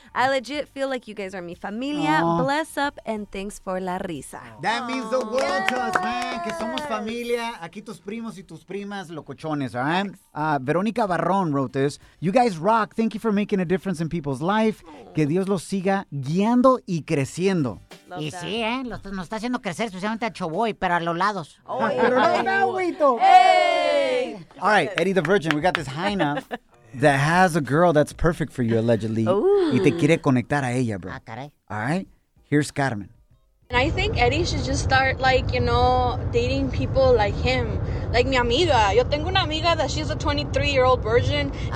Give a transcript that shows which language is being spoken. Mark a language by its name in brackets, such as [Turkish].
[English] I legit feel like you guys are [Spanish] mi familia. [English] Aww. Bless up, and thanks for [Spanish] la risa. [English] That Aww. Means the world yes. to us, man, [Spanish] que somos familia. Aquí tus primos y tus primas, locochones, [English] all right? Veronica Barrón wrote this. You guys rock. Thank you for making a difference in people's life. [Spanish] Aww. Que Dios los siga guiando y creciendo. [English] Love y that. [Spanish] Sí, nos está haciendo crecer, especialmente a Choboy, pero a los lados. Oh, pero no, güito. ¡Ey! [English] All right, Eddie the Virgin, we got this Jaina that has a girl that's perfect for you, allegedly. Ooh. [Spanish] Y te quiere conectar a ella, bro. Ah, caray. [English] All right, here's Carmen. And I think Eddie should just start, like, you know, dating people like him. Like [Spanish] mi amiga. Yo tengo una amiga [English] that she's a 23-year-old virgin. Okay.